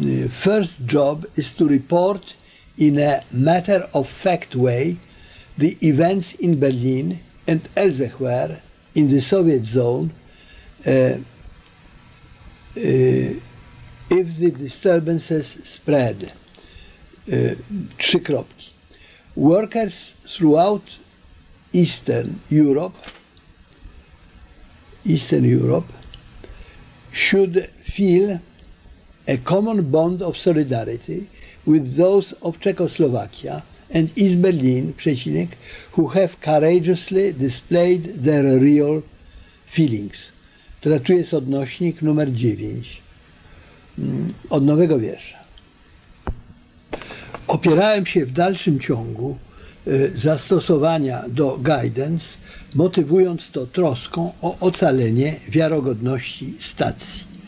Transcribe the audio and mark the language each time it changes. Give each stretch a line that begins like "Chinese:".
English: first job is to report in a matter of fact way the events in Berlin and elsewhere in the Soviet zone if the disturbances spread.
Polish: Trzy kropki.
English: Workers throughout Eastern Europe should feel a common bond of solidarity with those of Czechoslovakia and East Berlin,
Polish: przecinek,
English: who have courageously displayed their real feelings.
Polish: Teraz tu jest odnośnik numer 9, od nowego wiersza. Opierałem się w dalszym ciągu zastosowania do guidance, motywując to troską o ocalenie wiarygodności stacji.